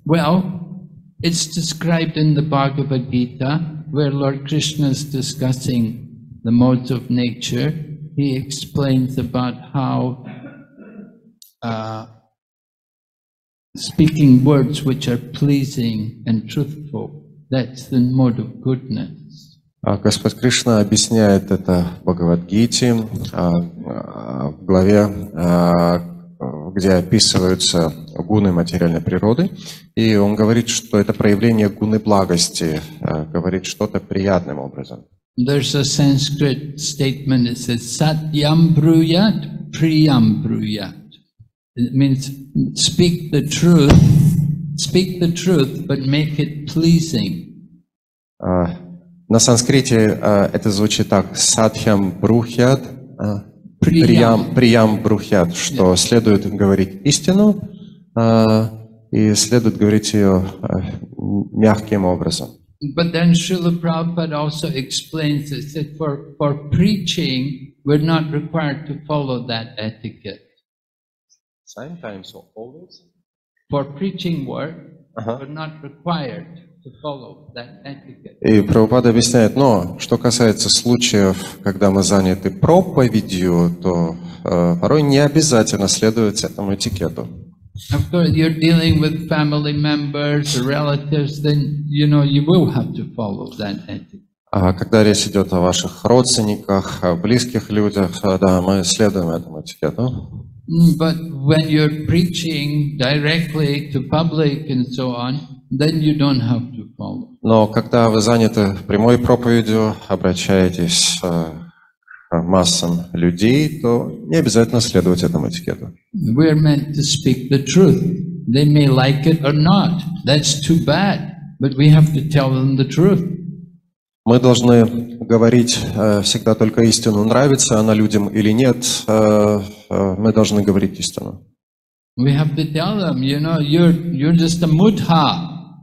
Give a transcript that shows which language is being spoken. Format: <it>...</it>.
<en>Well, it's described in the Bhagavad Gita where Lord Krishna is discussing the modes of nature. He explains about how speaking words which are pleasing and truthful, that's the mode of goodness.</en> <ru>Господь Кришна объясняет это в Бхагавад-гите, в главе, где описываются гуны материальной природы, и он говорит, что это проявление гуны благости, говорит что-то приятным образом.</ru> <en>There's a Sanskrit statement, it says</en> <sa>satyam bruyat priyam bruyat.</sa> <en>It means speak the truth, but make it pleasing.</en> <ru>На санскрите это звучит так:</ru> <sa>сатхям брухьят, приям брухьят,</sa> <ru>что yeah. Следует говорить истину, и следует говорить ее мягким образом.</ru> <en>But then Srila Prabhupada also explains it, that for preaching, we're not required to follow that etiquette. Sometimes or always? For preaching work, we're not required to follow that etiquette.</en> <ru>И Прабхупада объясняет, но что касается случаев, когда мы заняты проповедью, то порой не обязательно следовать этому этикету.</ru> <en>After you're dealing with family members, relatives, then you know you will have to follow that ethic.</en> <ru>Когда речь идет о ваших родственниках, о близких людях, да, мы следуем этому этикету.</ru> <en>But when you're preaching directly to public and so on, then you don't have to follow.</en> <ru>Но когда вы заняты прямой проповедью, обращаетесь к массам людей, то не обязательно следовать этому этикету.</ru> <en>We're meant to speak the truth. They may like it or not. That's too bad. But we have to tell them the truth.</en> <ru>Мы должны говорить всегда только истину. Нравится она людям или нет, мы должны говорить истину.</ru> <en>We have to tell them, you know, you're just a mudha.</en>